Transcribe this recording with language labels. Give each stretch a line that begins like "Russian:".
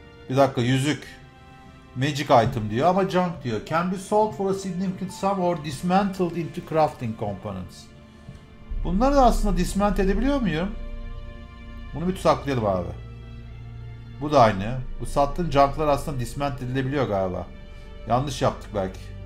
Turkish: Bir dakika, yüzük. Magic item diyor ama junk diyor.
English: Can be sold for a significant sum or dismantled into crafting components.
Turkish: Bunları da aslında dismant edebiliyor muyum? Bunu bir tutaklayalım abi. Bu da aynı. Bu sattığın junklar aslında dismant edilebiliyor galiba. Yanlış yaptık belki.